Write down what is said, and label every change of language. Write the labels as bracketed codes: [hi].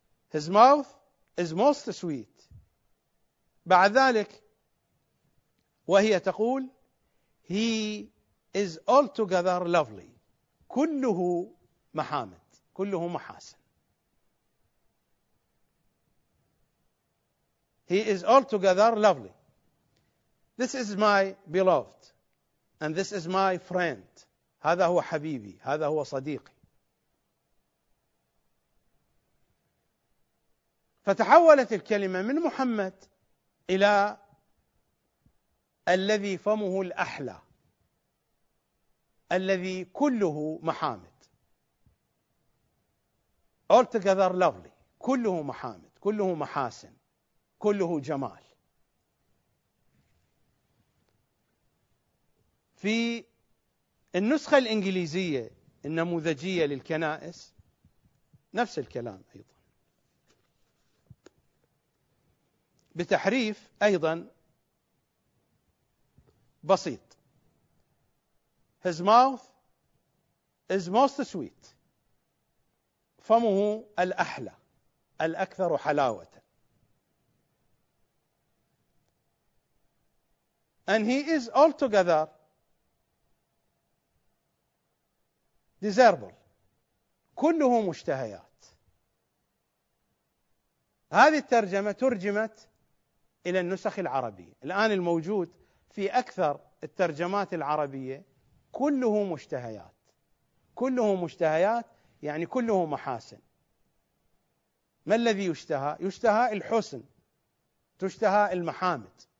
[en] His mouth is most sweet. [ar] بعد ذلك وهي تقول: [en] He is altogether lovely، [ar] كله محامد، كله محاسن. [en] He is altogether lovely. This is my beloved and this is my friend. [ar] هذا هو حبيبي، هذا هو صديقي. فتحولت الكلمة من محمد إلى الذي فمه الأحلى، الذي كله محامد. [en] Altogether lovely، [ar] كله محامد، كله محاسن، كله جمال. في النسخة الإنجليزية النموذجية للكنائس نفس الكلام أيضا بتحريف أيضا بسيط: [en] His mouth is most sweet، [ar] فمه الأحلى، الأكثر حلاوة. [en] And he is altogether desirable، [ar] كله مشتهيات. هذه الترجمة ترجمت إلى النسخ العربية. الآن الموجود في أكثر الترجمات العربية كله مشتهيات. كله مشتهيات يعني كله محاسن. ما الذي يشتهى؟ يشتهى الحسن، تشتهى المحامد.